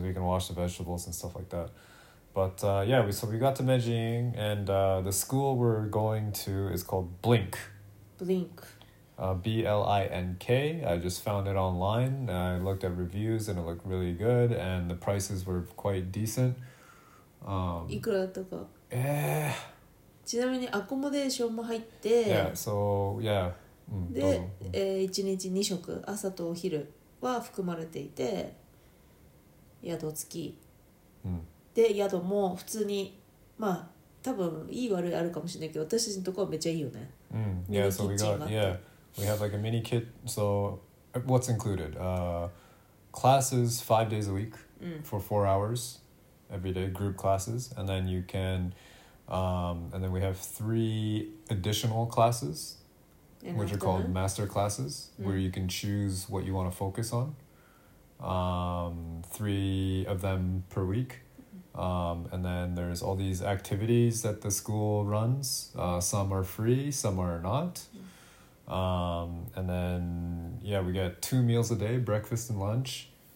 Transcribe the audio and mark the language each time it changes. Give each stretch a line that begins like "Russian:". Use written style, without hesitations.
English: Because we can wash the vegetables and stuff like that. But、yeah, we got to Medellin and、the school we're going to is called Blink. Blink.、 B-L-I-N-K. I just found it online. I looked at reviews and it looked really good and the prices were quite decent.
Japanese: いくらだったか。ちなみにアコモデーションも入って
English: yeah, so, yeah.、うん、
Japanese: で、1日2食朝とお昼は含まれていて宿付き、うん、で宿も普通にまあ多分いい悪いあるかもしれないけど私たちのとこはめっちゃいいよね、
English: うん、yeah, so we got yeah, we have like a mini kit so what's included、classes 5 days a week for 4 hours every day group classes and then you canand then we have 3 additional classes which are called master classes、うん、where you can choose what you want to focus on 3 of them per week、and then there's all these activities that the school runs some are free some are not、and then yeah we get 2 meals a day breakfast and lunch